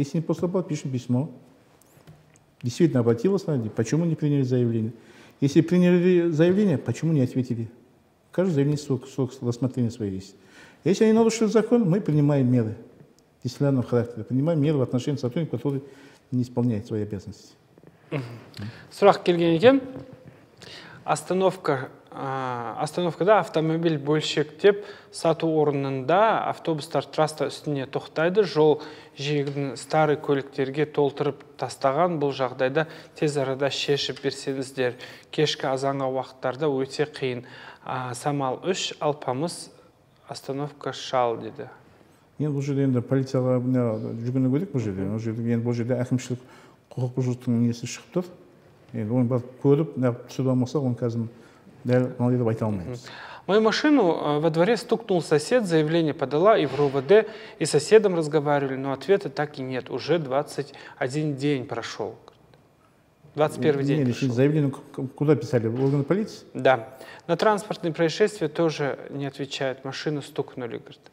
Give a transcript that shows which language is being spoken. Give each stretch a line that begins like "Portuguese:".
Russian: Если не поступало, пишем письмо. Действительно обратилась на них, почему не приняли заявление. Если приняли заявление, почему не ответили. Каждое заявление срок рассмотрения свое есть. Если они нарушили закон, мы принимаем меры дисциплинарного характера, принимаем меры в отношении сотрудника, который не исполняет свои обязанности.
Kazakh: Сурах Кельгенекен,
Russian: остановка,
Kazakh: да, автомобиль бөлшек деп, сату орнында, автобустар трасса үстіне тоқтайды, жол жиегінің
Russian: старый
Kazakh: көліктерге толтырып тастаған, бұл жағдайда тез арада шешіп берсеңіздер, кешкі азанға уақыттарда өте қиын. Самал 3, Алпамыс,
Russian: остановка
Kazakh: Шал деді. Енді бұл жерде енді полицияға жүгіну керек бұл жерде. Енді бұл жерде әкімшілік құқық бұзушылықтың несі шығып тұр. Енді оны бар көріп, түсіріп алмаса, оны қазір дәл мынау деп айта алмаймыз.
Russian: Мою машину во дворе стукнул сосед, заявление подала и в РУВД, и с соседом разговаривали, но ответа так и нет. Уже 21 день прошел. 21 день прошел. Нет, заявление куда писали? В органы полиции? Да. На транспортные происшествия тоже не отвечают. Машину стукнули, говорит.